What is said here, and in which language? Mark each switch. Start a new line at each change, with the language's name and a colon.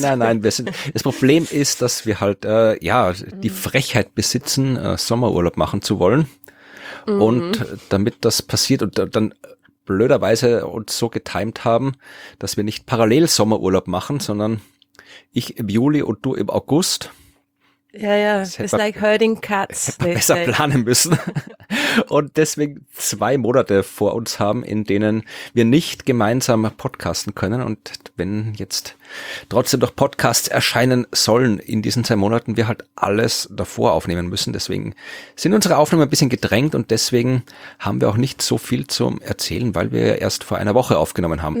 German: Nein, wir sind, das Problem ist, dass wir halt, die Frechheit besitzen, Sommerurlaub machen zu wollen und damit das passiert und dann blöderweise uns so getimed haben, dass wir nicht parallel Sommerurlaub machen, sondern ich im Juli und du im August...
English: Ja, it's like herding cats.
German: Besser planen müssen. Und deswegen zwei Monate vor uns haben, in denen wir nicht gemeinsam podcasten können. Und wenn jetzt trotzdem noch Podcasts erscheinen sollen in diesen zwei Monaten, wir halt alles davor aufnehmen müssen. Deswegen sind unsere Aufnahmen ein bisschen gedrängt und deswegen haben wir auch nicht so viel zum Erzählen, weil wir ja erst vor einer Woche aufgenommen haben.